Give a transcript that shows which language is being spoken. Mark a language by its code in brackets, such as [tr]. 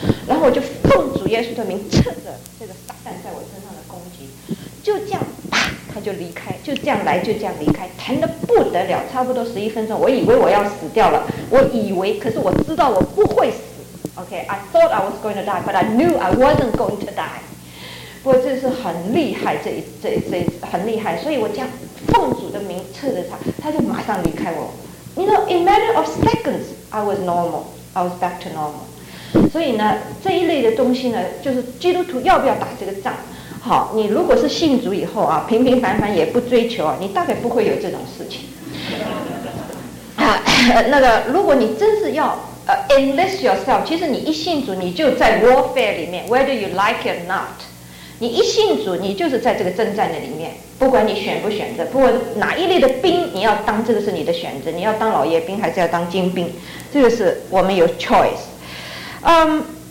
[zh] 然后我就奉主耶稣的名趁着这个撒旦在我身上的攻击，就这样啪他就离开，就这样来，就这样离开，疼得不得了，差不多十一分钟，我以为我要死掉了，我以为，可是我知道我不会死。 [en] OK， I thought I was going to die， but I knew I wasn't going to die。 [zh] 不过这是很厉害，这很厉害，所以我这样奉主的名测着他就马上离开我。 [en] You know, in a matter of seconds I was normal， I was back to normal。 [zh] 所以呢，这一类的东西呢，就是基督徒要不要打这个仗。好，你如果是信主以后啊，平平凡凡也不追求啊，你大概不会有这种事情。那个，如果你真是要 [en] enlist yourself， [zh] 其实你一信主你就在 warfare 里面， [en] whether you like it or not， [zh] 你一信主你就是在这个征战的里面，不管你选不选择，不管哪一类的兵你要当，这个是你的选择，你要当老爷兵还是要当精兵，这个是我们有 choice。